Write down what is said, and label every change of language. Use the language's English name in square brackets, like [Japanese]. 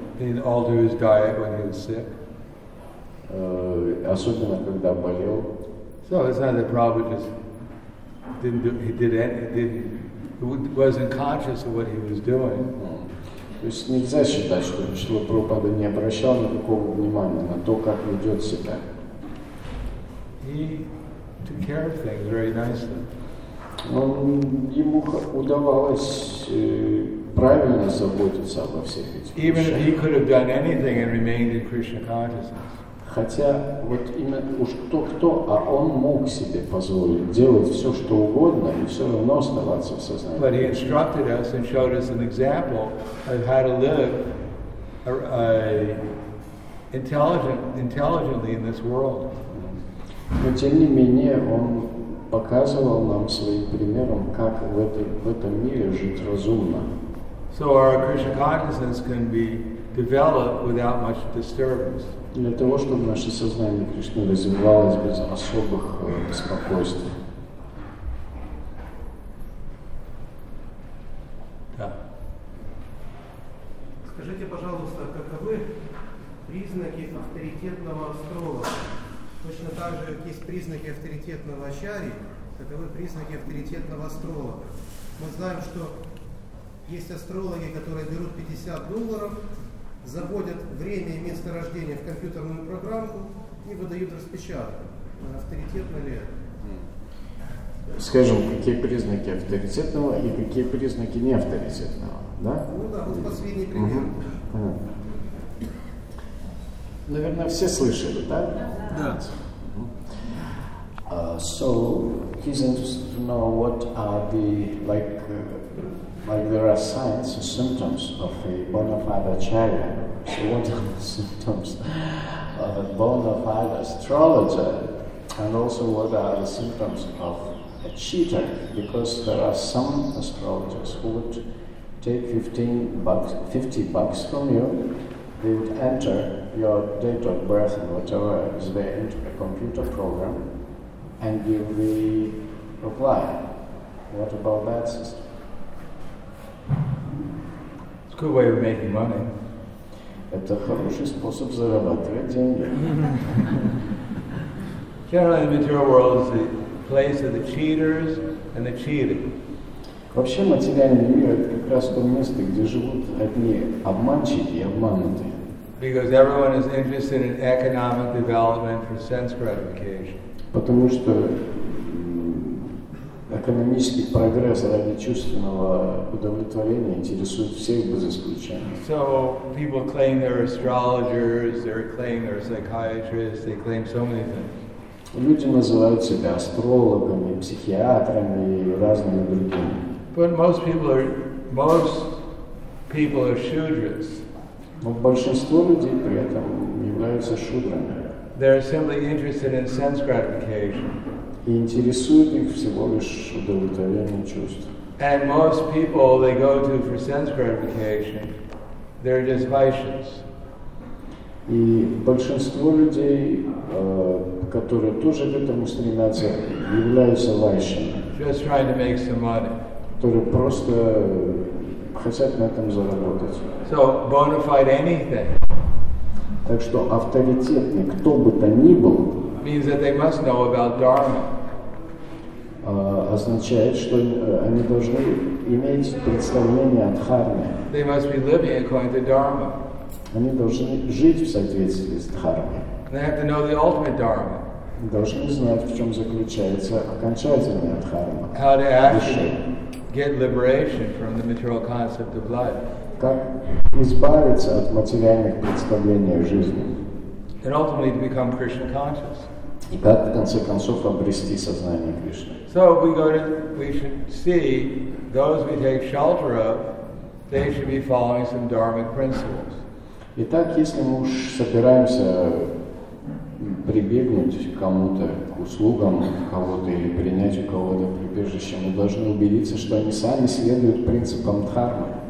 [English] He altered his diet when he was sick. [Russian] Особенно когда болел. [English] So it's not that Prabhupada just didn't do, he did any, wasn't conscious of what he was doing. [Russian] То есть нельзя считать, что Шрила Прабхупада не обращал никакого внимания на то, как ведет себя. [English] He took care of things very nicely. [Russian] Ему удавалось правильно заботиться обо всех этих. [English] Even if he could have done anything and remained in Krishna consciousness. [Russian] Хотя вот именно уж кто, а он мог себе позволить делать все что угодно и все равно оставаться в сознании. [English] But he instructed us and showed us an example of how to live intelligently in this world. [Russian] Но тем не менее он показывал нам своим примером, как в этом мире жить разумно. [English] So our Krishna consciousness can be developed without much disturbance. [Russian] Для того, чтобы наше сознание Кришны развивалось без особых беспокойств. Да. Скажите, пожалуйста, каковы признаки авторитетного астролога? Точно так же, как есть признаки авторитетного ачарьи, таковы признаки авторитетного астролога. Мы знаем, что есть астрологи, которые берут $50, заводят время и место рождения в компьютерную программу и выдают распечатку. Авторитетно ли это? Скажем, какие признаки авторитетного и какие признаки неавторитетного, да? Ну да, вот последний пример. Угу. Наверное, все слышали, да? Да. [English] So he's interested to know what are the like there are signs and symptoms of a bona fide acharya. So what are the symptoms of a bona fide astrologer, and also what are the symptoms of cheated, because there are some astrologers who would take 50 bucks from you. They would enter your date of birth and whatever is there into a computer program and give the reply. What about that system? It's a good way of making money. [Russian] Это хороший способ зарабатывать деньги. [English] Generally, the material world is the place of the cheaters and the cheating. [Russian] Вообще, материальный мир — это как раз то место, где живут одни обманщики и обманутые. [English] Because everyone is interested in economic development for sense gratification. [Russian] Потому что экономический прогресс ради чувственного удовлетворения интересует всех без исключения. [English] So people claim they're astrologers, they claim they're psychiatrists, they claim so many things. [Russian] Люди называют себя астрологами, психиатрами и разными другими. [English] But most people are shudras. [Russian] Но большинство людей при этом являются шудрами. [English] They're simply interested in sense gratification. [Russian] И интересует их всего лишь удовлетворение чувств. [English] And most people they go to for sense gratification, they're just vaishnavas. [Russian] И большинство людей, которые тоже к этому стремятся, являются вайшнавами. [English] Just trying to make some money. [Russian] Которые просто хотят на этом заработать. [English] So bona fide anything. [Russian] Так что авторитетный, кто бы то ни был, [English] means that they must know about dharma. [Russian] Означает, что они должны иметь представление о дхарме. [English] They must be living according to dharma. [Russian] Они должны жить в соответствии с дхармой. [English] They have to know the ultimate dharma. [Russian] Должны знать, в чем заключается окончательная дхарма. [English] How to actually get liberation from the material concept of life. [Russian] Как избавиться от материальных представлений о жизни. [English] And ultimately to become Krishna conscious. [Russian] И как, в конце концов, обрести сознание Кришны. [English] So we should see those we take shelter of, they should be following some dharmic principles. [Russian] Итак, если мы уж собираемся прибегнуть к кому-то, к услугам кого-то или принять у кого-то прибежище, мы должны убедиться, что они сами следуют принципам дхармы.